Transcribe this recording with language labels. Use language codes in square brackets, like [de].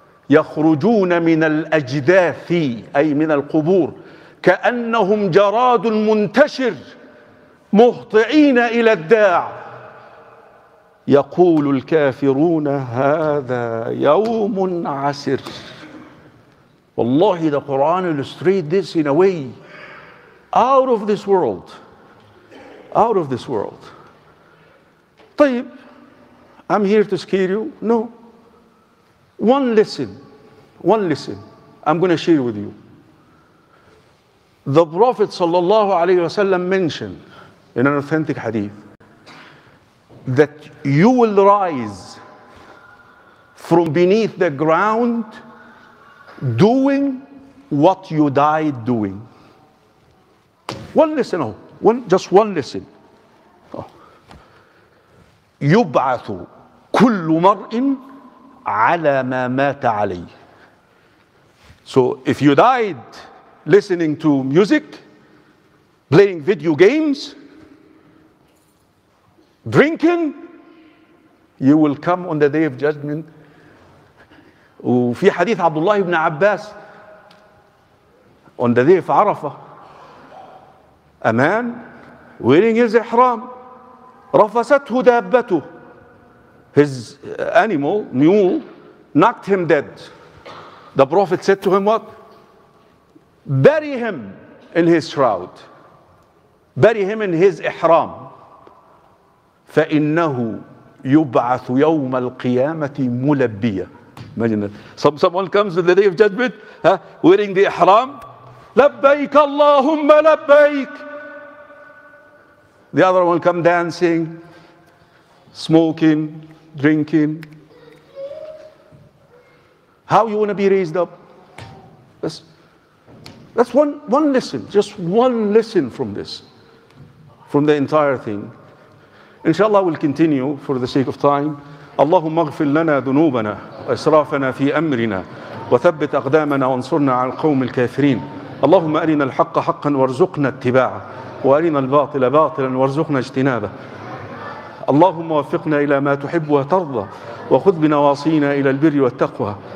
[ar] يخرجون من الأجداث أي من القبور كأنهم جراد منتشر مهطعين إلى الداع. يقول الكافرون هذا يوم عسر. [en] والله the Quran illustrates this in a way out of this world. Out of this world. طيب, I'm here to scare you. No. One lesson. One lesson. I'm going to share with you. The Prophet sallallahu alayhi wasallam mentioned in an authentic hadith that you will rise from beneath the ground doing what you died doing. One lesson, just one lesson. [ar] يبعث كل مرء على ما مات عليه. [en] So if you died listening to music, playing video games, drinking, you will come on the day of judgment. [ar] وفي حديث عبد الله بن عباس, [en] on the day of عرفة, a man wearing his ihram, [ar] رفسته دابته, [en] his animal, mule, knocked him dead. The Prophet said to him, what? Bury him in his shroud. Bury him in his ihram. [ar] فإنه يبعث يوم القيامة ملبية. [en] Imagine that. Someone comes in the day of judgment, wearing the ihram. [ar] لبيك اللهم لبيك. [en] The other one will come dancing, smoking, drinking. How you want to be raised up? That's one lesson, just one lesson from this, from the entire thing. Inshallah, we'll continue for the sake of time. [ar] اللهم اغفر لنا ذنوبنا وإسرافنا في أمرنا وثبت أقدامنا وانصرنا على القوم الكافرين. اللهم أرنا الحق حقا وارزقنا اتباعه وأرنا الباطل باطلا وارزقنا اجتنابه. اللهم وفقنا إلى ما تحب وترضى وخذ بنواصينا إلى البر والتقوى.